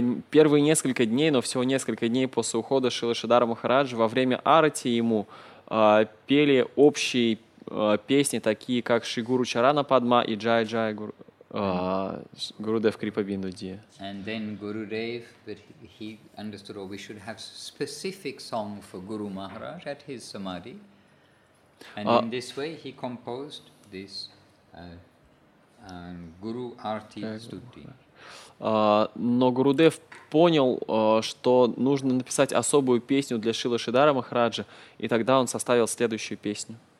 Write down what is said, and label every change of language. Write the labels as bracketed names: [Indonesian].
[Russian] Первые несколько дней, но всего несколько дней после ухода Шрилы Шридхара Махараджа, во время арати ему пели общие песни, такие как Шри Гуру Чарана Падма и Джай Джай [Bangla] Gurudev Kripa Bindu Ji. [English] And then Gurudev, but he understood, oh, we should have specific song for Guru Maharaj at his samadhi. And in this way, he composed this Guru Arti Stuti. [Russian] Но Гурудев понял, что нужно написать особую песню для Шрилы Шридхара Махараджа, и тогда он составил следующую песню.